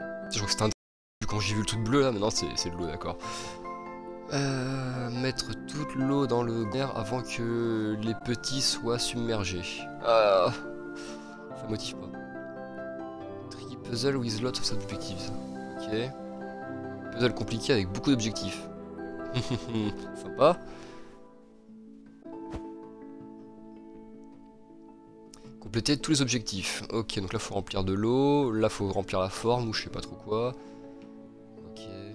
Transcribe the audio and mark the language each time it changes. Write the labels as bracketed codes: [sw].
[fr] Je crois que c'était un. Quand j'ai vu le truc bleu là, maintenant c'est de l'eau, d'accord. Mettre toute l'eau dans le verre avant que les petits soient submergés. Ah, ça motive pas. [en] Tricky puzzle with lots of objectives. Ok. [fr] Puzzle compliqué avec beaucoup d'objectifs. Sympa. Compléter tous les objectifs. Ok, donc là faut remplir de l'eau, là faut remplir la forme ou je sais pas trop quoi. Ok.